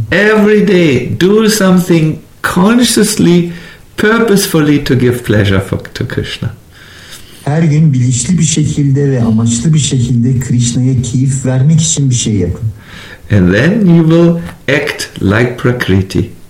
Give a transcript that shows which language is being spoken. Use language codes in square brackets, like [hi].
[en] Every day do something consciously, purposefully to give pleasure to Krishna. [tr] Her gün bilinçli bir şekilde ve amaçlı bir şekilde Krishna'ya keyif vermek için bir şey yapın. [en] And then you will act like Prakriti.